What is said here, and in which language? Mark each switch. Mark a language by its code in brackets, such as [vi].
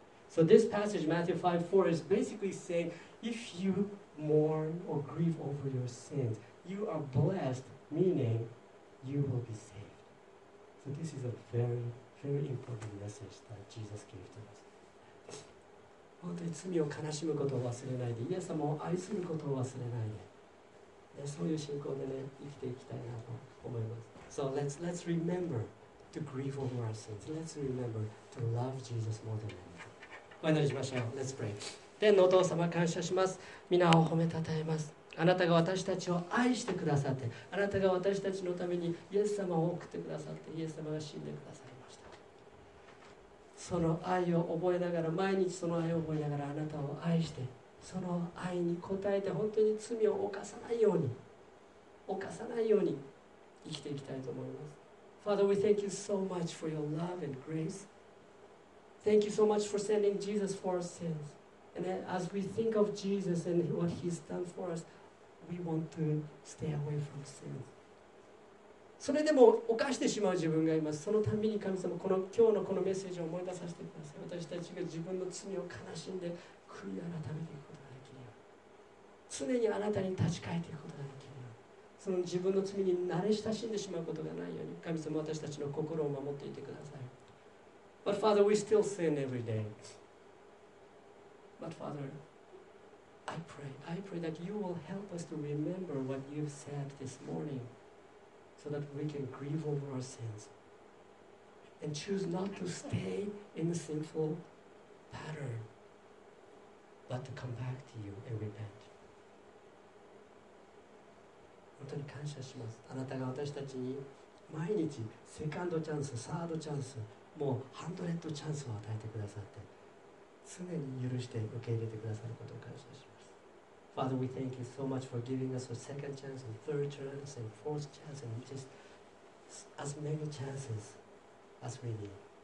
[en] So this passage, Matthew 5:4, is basically saying, if you mourn or grieve over your sins, you are blessed, meaning you will be saved. So this is a very, very important message that Jesus gave to us. [ja] 本当に罪を悲しむことを忘れないで、イエス様を愛することを忘れないで、そういう信仰でね、生きていきたいなと思います。 [en] So let's remember to grieve over our sins. Let's remember to love Jesus more than ever. [ja] お祈りしましょう。 [en] Let's pray. [ja] 天のお父様、感謝します。皆を褒めたたえます。あなたが私たちを愛してくださって、あなたが私たちのためにイエス様を送ってくださって、イエス様が死んでくださいました。その愛を覚えながら、毎日その愛を覚えながら、あなたを愛して、その愛に応えて、本当に罪を犯さないように生きていきたいと思います。 [en] Father, we thank you so much for your love and grace. Thank you so much for sending Jesus for our sins. And as we think of Jesus and what he's done for us, we want to stay away from sins. [ja] それでも犯してしまう自分がいます。そのために神様、この今日のこのメッセージを思い出させてください。私たちが自分の罪を悲しんで悔い改めていくことができるよう、常にあなたに立ち返っていくことができるよう、その自分の罪に慣れ親しんでしまうことがないように、神様、私たちの心を守っていてください。 [en] But Father, we still sin every day. But Father, I pray that you will help us to remember what you've said this morningSo that we can grieve over our sins and choose not to stay in the sinful pattern, but to come back to you and repent. [ja] 本当に感謝します。あなたが私たちに毎日セカンドチャンス、サードチャンス、もうハンドレッドチャンスを与えてくださって、常に許して受け入れてくださることを感謝します。 [en] Father, we thank you so much for giving us a second chance and third chance and fourth chance and just as many chances as we need.